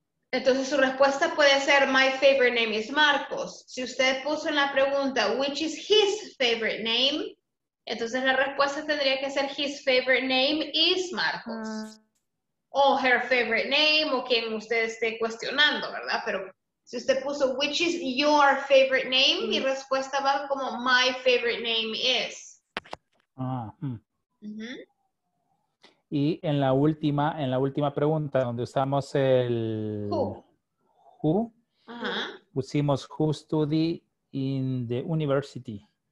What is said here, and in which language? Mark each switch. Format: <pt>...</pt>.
<es>Entonces su respuesta puede ser,</es> <en>my favorite name is Marcos.</en> <es>Si usted puso en la pregunta,</es> <en>which is his favorite name?</en> <es>Entonces la respuesta tendría que ser,</es> <en>his favorite name is Marcos.</en> <es>O</es> <en>her favorite name,</en> <es>o quien usted esté cuestionando, ¿verdad? Pero si usted puso,</es> <en>which is your favorite name?</en> <es>Mi respuesta va como,</es> <en>my favorite name is.</en> <es>Y en la última pregunta, donde usamos el</es> <en>who,</en> <es>pusimos</es> <en>who study in the university.</en>